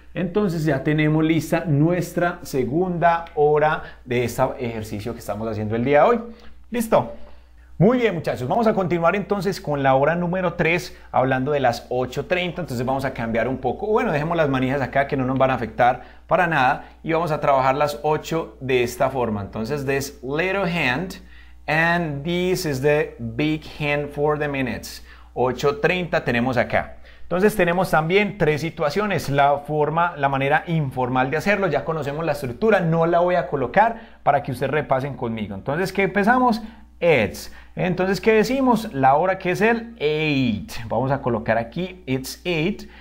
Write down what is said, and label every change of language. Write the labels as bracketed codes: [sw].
[es] Entonces, ya tenemos lista nuestra segunda hora de este ejercicio que estamos haciendo el día de hoy. ¿Listo? Muy bien, muchachos, vamos a continuar entonces con la hora número 3, hablando de las 8:30. Entonces vamos a cambiar un poco. Bueno, dejemos las manijas acá que no nos van a afectar para nada y vamos a trabajar las 8 de esta forma. [en] Entonces, this little hand and this is the big hand for the minutes. [es] 8:30 tenemos acá. Entonces tenemos también tres situaciones, la forma, la manera informal de hacerlo, ya conocemos la estructura, no la voy a colocar para que ustedes repasen conmigo. Entonces, ¿qué empezamos? It's. Entonces, ¿qué decimos? La hora que es el 8. Vamos a colocar aquí, [en] it's 8.